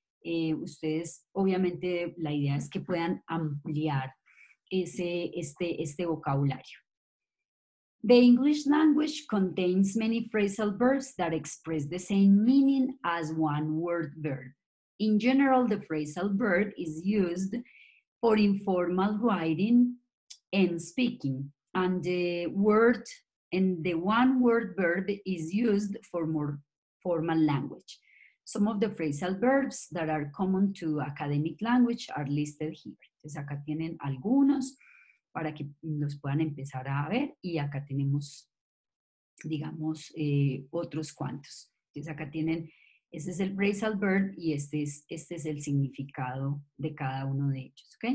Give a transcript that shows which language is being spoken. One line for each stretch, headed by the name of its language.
Spanish: Ustedes, obviamente, la idea es que puedan ampliar este vocabulario.
English: The English language contains many phrasal verbs that express the same meaning as one word verb. In general, the phrasal verb is used for informal writing and speaking, and the one word verb is used for more formal language. Some of the phrasal verbs that are common to academic language are listed here.
Spanish: Entonces acá tienen algunos para que los puedan empezar a ver y acá tenemos, digamos, otros cuantos. Entonces acá tienen, este es el phrasal verb y este es el significado de cada uno de ellos. ¿Okay?